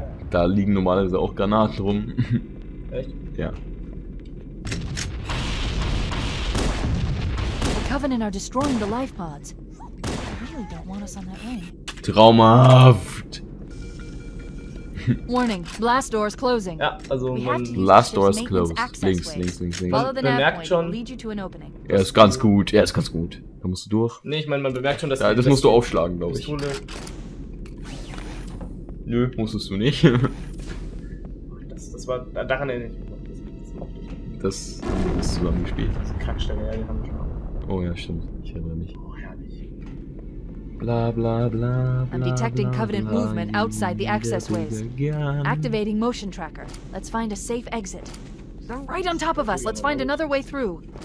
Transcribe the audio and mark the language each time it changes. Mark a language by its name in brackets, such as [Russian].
[German] Da liegen normalerweise auch Granaten rum. Echt? Ja. [English] The Covenant are destroying the life pods. They really don't want us on that way. [German] Traumhaft. [English] Warning, blast doors closing. [German] Ja, also [English] blast doors closed. [German] Links. Man bemerkt schon. Er ist ganz gut. Er ist ganz gut. Da musst du durch. Nee, ich meine, man bemerkt schon, dass ja, das musst du aufschlagen, glaube ich. Nö, musstest du nicht. das war daran erinnert. das haben wir das zusammen gespielt. Das ist eine Kackstelle, ja, die haben wir schon. Oh ja, stimmt. Ich erinnere mich. Oh, herrlich. Bla bla bla bla. [English] I'm detecting Covenant movement outside the access ways. Activating motion tracker. Let's find a safe exit. They're right on top of us. Let's find another way through.